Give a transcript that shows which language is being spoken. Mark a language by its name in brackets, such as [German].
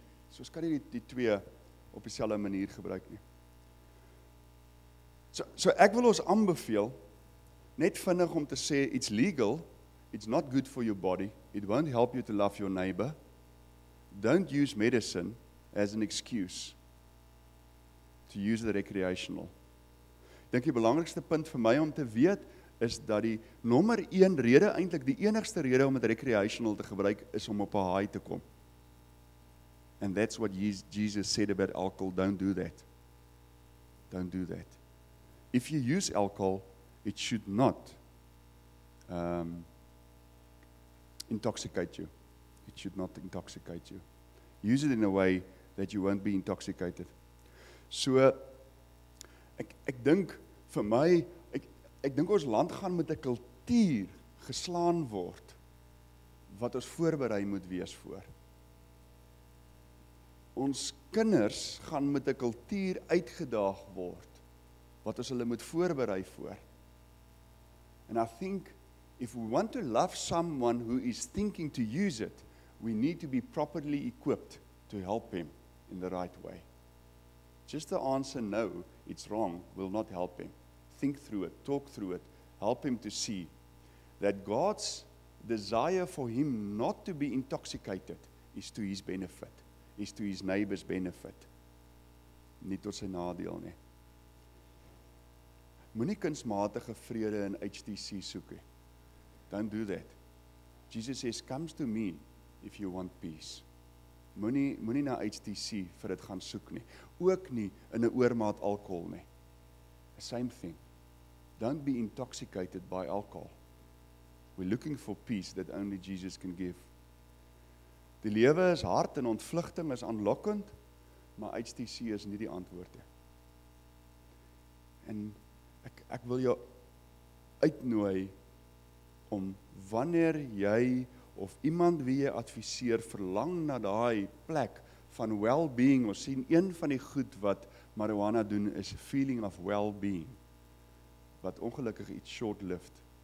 [Afrikaans] So ons kan nie die twee op dieselfde manier gebruik nie. So ek wil ons aanbeveel, net vinnig om te sê, [English] it's legal, it's not good for your body, it won't help you to love your neighbor. Don't use medicine as an excuse to use the recreational. [Afrikaans] dink die belangrikste punt vir my om te weet, is dat die nommer 1 rede, eintlik die enigste rede om het recreational te gebruik, is om op 'n high te kom. [English] And that's what Jesus said about alcohol, don't do that. Don't do that. If you use alcohol, it should not intoxicate you. It should not intoxicate you. Use it in a way that you won't be intoxicated. [Afrikaans] So, ek dink vir my, ek dink ons land gaan met 'n kultuur geslaan word, wat ons voorberei moet wees voor. Ons kinders gaan met 'n kultuur uitgedaag word, wat ons hulle moet voorberei voor. [English] And I think, if we want to love someone who is thinking to use it, we need to be properly equipped to help him in the right way. Just the answer, no, it's wrong, will not help him. Think through it, talk through it, help him to see that God's desire for him not to be intoxicated is to his benefit, is to his neighbor's benefit. [Afrikaans] Nie tot sy nadeel nie. Moenie kunstmatige vrede in HTC soek nie. [English] Don't do that. Jesus says, come to me if you want peace. [Afrikaans] Moenie na HTC vir dit gaan soek nie. Ook nie in 'n oormaat alkohol nie. [English] Same thing. Don't be intoxicated by alcohol. We're looking for peace that only Jesus can give. [Afrikaans] Die lewe is hard en ontvlugting is aanlokkend, maar HTC is nie die antwoord nie. En ek wil jou uitnooi om wanneer jy of iemand wie jy adviseer verlang na daai plek van well-being, ons sien een van die goed wat marihuana doen is [English] feeling of well-being, [Afrikaans] wat ongelukkig iets short-lived.